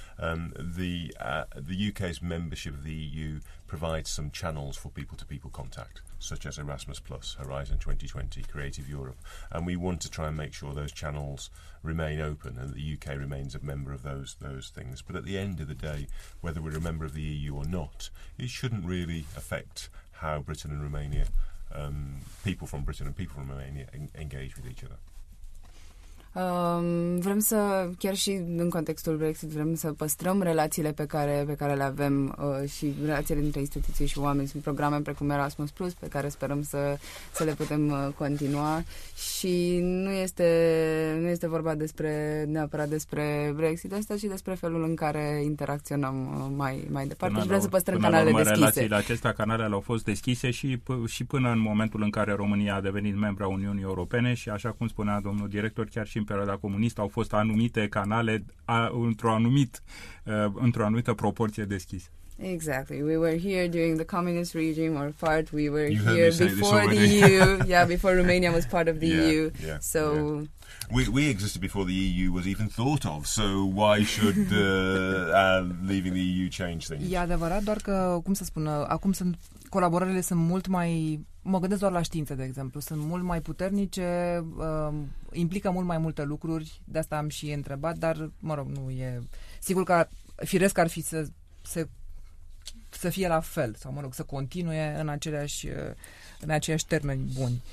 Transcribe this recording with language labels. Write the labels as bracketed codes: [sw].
[en] The UK's membership of the EU provides some channels for people-to-people contact, such as Erasmus+, Horizon 2020, Creative Europe, and we want to try and make sure those channels remain open and the UK remains a member of those things. But at the end of the day, whether we're a member of the EU or not, it shouldn't really affect how Britain and Romania... people from Britain and people from Romania engage with each other. [ro] Vrem să, chiar și în contextul Brexit, vrem să păstrăm relațiile pe care le avem și relațiile dintre instituții și oameni. Sunt programe precum Erasmus+, pe care sperăm să le putem continua, și nu este vorba despre neapărat despre Brexit, asta, ci despre felul în care interacționăm mai departe. Și vrem să păstrăm canalele deschise. Relațiile acestea, canalele au fost deschise și până în momentul în care România a devenit membru a Uniunii Europene, și așa cum spunea domnul director, chiar și în perioada comunistă au fost anumite canale într-o anumită proporție deschise. [en] Exactly. We were here during the communist regime or part. We were here before the EU. Yeah, before Romania was part of the yeah, EU. Yeah, so yeah. We existed before the EU was even thought of. So why should leaving the EU change things? [ro] E adevărat, doar că, cum să spun, acum sunt colaborările sunt mult mai mă gândesc doar la știință, de exemplu. Sunt mult mai puternice, implică mult mai multe lucruri, de asta am și întrebat, dar, mă rog, nu e... Sigur că firesc ar fi să fie la fel, sau, mă rog, să continue în aceiași termeni buni.